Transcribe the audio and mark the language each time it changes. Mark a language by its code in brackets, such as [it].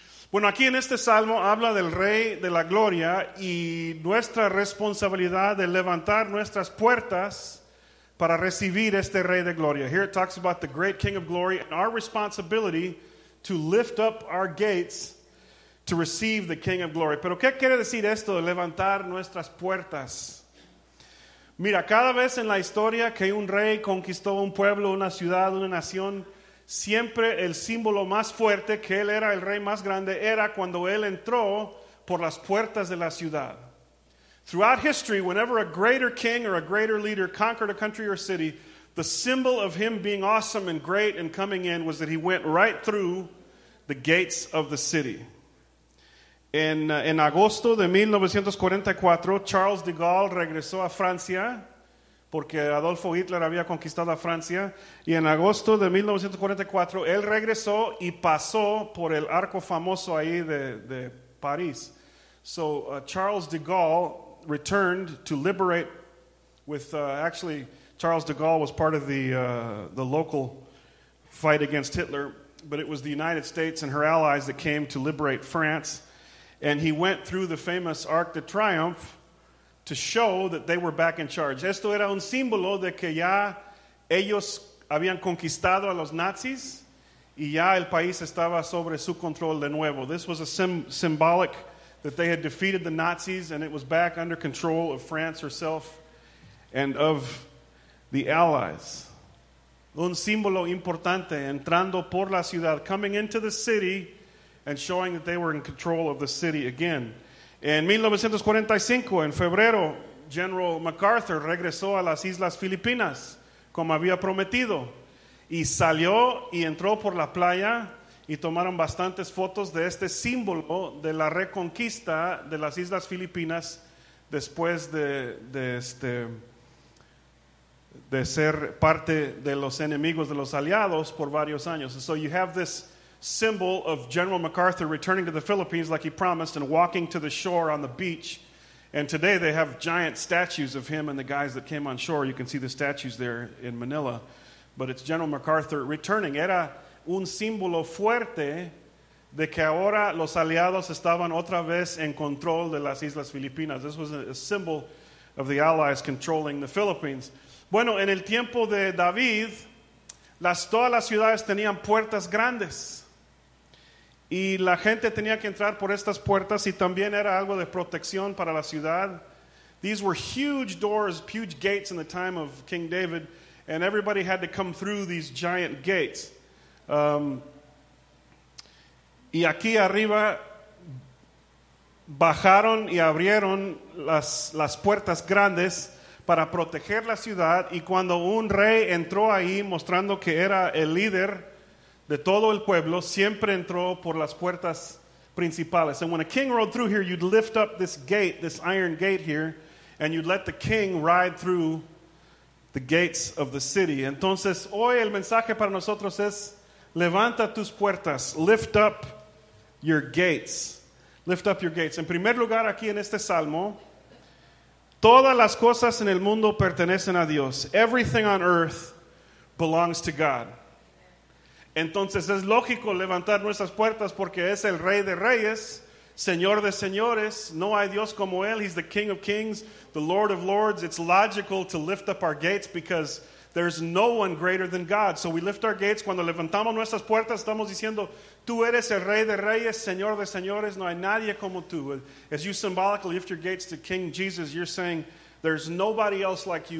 [es] Bueno, aquí en este salmo habla del Rey de la Gloria y nuestra responsabilidad de levantar nuestras puertas para recibir este Rey de Gloria. [en] Here it talks about the great King of glory and our responsibility to lift up our gates to receive the King of Glory. [es] Pero ¿qué quiere decir esto de levantar nuestras puertas? Mira, cada vez en la historia que un rey conquistó un pueblo, una ciudad, una nación, siempre el símbolo más fuerte que él era el rey más grande era cuando él entró por las puertas de la ciudad. [en] Throughout history, whenever a greater king or a greater leader conquered a country or city, the symbol of him being awesome and great and coming in was that he went right through the gates of the city. [es] En agosto de 1944, Charles de Gaulle regresó a Francia porque Adolfo Hitler había conquistado a Francia. Y en agosto de 1944, él regresó y pasó por el arco famoso ahí de París. [en] So Charles de Gaulle returned to liberate with actually... Charles de Gaulle was part of the local fight against Hitler, but it was the United States and her allies that came to liberate France, and he went through the famous Arc de Triomphe to show that they were back in charge. [es] Esto era un símbolo de que ya ellos habían conquistado a los nazis y ya el país estaba sobre su control de nuevo. [en] This was a symbolic that they had defeated the Nazis and it was back under control of France herself and of the allies. [es] Un símbolo importante, entrando por la ciudad, [en] coming into the city and showing that they were in control of the city again. [es] En 1945, en febrero, General MacArthur regresó a las Islas Filipinas, como había prometido, y salió y entró por la playa y tomaron bastantes fotos de este símbolo de la reconquista de las Islas Filipinas después de ser parte de los enemigos de los aliados por varios años. [en] And so you have this symbol of General MacArthur returning to the Philippines like he promised and walking to the shore on the beach And today they have giant statues of him and the guys that came on shore. You can see the statues there in Manila. But it's General MacArthur returning. [es] Era un símbolo fuerte de que ahora los aliados estaban otra vez en control de las Islas Filipinas. [en] This was a symbol of the Allies controlling the Philippines. [es] Bueno, en el tiempo de David, todas las ciudades tenían puertas grandes. Y la gente tenía que entrar por estas puertas y también era algo de protección para la ciudad. [en] These were huge doors, huge gates in the time of King David, and everybody had to come through these giant gates. [es] Y aquí arriba bajaron y abrieron las puertas grandes para proteger la ciudad. Y cuando un rey entró ahí mostrando que era el líder de todo el pueblo, siempre entró por las puertas principales. [en] And when a king rode through here, you'd lift up this gate, this iron gate here, and you'd let the king ride through the gates of the city. [es] Entonces, hoy el mensaje para nosotros es, levanta tus puertas, [en] lift up your gates. Lift up your gates. [es] En primer lugar, aquí en este salmo, todas las cosas en el mundo pertenecen a Dios. [en] Everything on earth belongs to God. [es] Entonces es lógico levantar nuestras puertas porque es el Rey de Reyes, Señor de Señores. No hay Dios como Él. [en] He's the King of Kings, the Lord of Lords. It's logical to lift up our gates because there's no one greater than God. So we lift our gates. [es] Cuando levantamos nuestras puertas, estamos diciendo, Tú eres el Rey de Reyes, Señor de Señores. No hay nadie como Tú. [en] As you symbolically lift your gates to King Jesus, you're saying, there's nobody else like You.